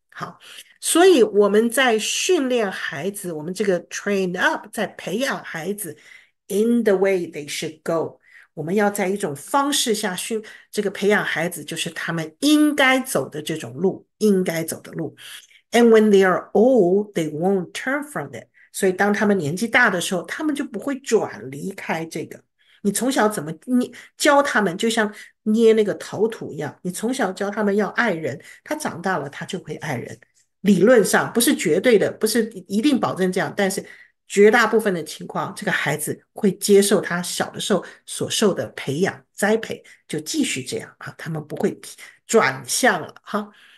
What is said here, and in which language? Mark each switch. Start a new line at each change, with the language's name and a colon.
Chinese: 好，所以我们在训练孩子，我们这个
English: train up
Chinese: 在培养孩子
English: in the way they should go。
Chinese: 我们要在一种方式下训这个培养孩子，就是他们应该走的这种路，应该走的路。
English: And when they are old, they won't turn from it。
Chinese: 所以当他们年纪大的时候，他们就不会转离开这个。你从小怎么捏教他们，就像捏那个陶土一样。你从小教他们要爱人，他长大了他就会爱人。理论上不是绝对的，不是一定保证这样，但是绝大部分的情况，这个孩子会接受他小的时候所受的培养栽培，就继续这样啊，他们不会转向了哈。